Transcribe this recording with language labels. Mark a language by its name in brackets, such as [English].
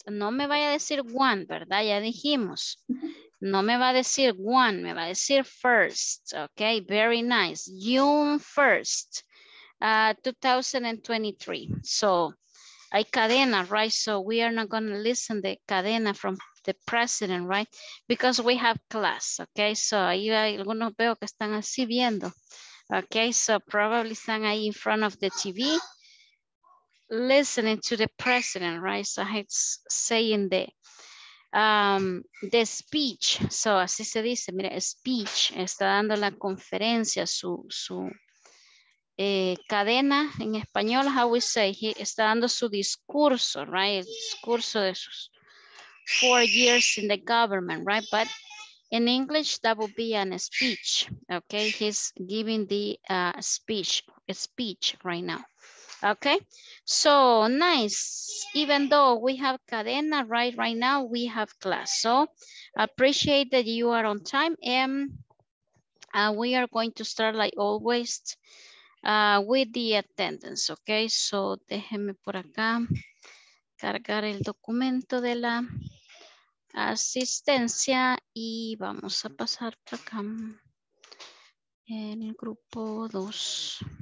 [Spanish] No me vaya a decir one, ¿verdad? Ya dijimos. No me va a decir one, me va a decir first. [English] Okay, very nice. June 1st, 2023. [Spanish] So, hay cadena, right? [English] So, we are not going to listen the cadena from the president, right? Because we have class, okay? [Spanish] So, ahí hay algunos veo que están así viendo. [English] Okay, so probably [Spanish] están ahí [English] in front of the TV listening to the president, right? So it's saying the speech. [Spanish] So así se dice, mira, speech. Está dando la conferencia, su cadena en español. [English] How we say, [Spanish] he está dando su discurso, right? El discurso de sus [English] 4 years in the government, right? But in English, that would be an speech, okay? He's giving the speech right now, okay? So, nice. Even though we have cadena right now, we have class. So, appreciate that you are on time. And we are going to start, like always, with the attendance, okay? [Spanish] So, déjeme por acá cargar el documento de la... asistencia y vamos a pasar para acá en el grupo 2.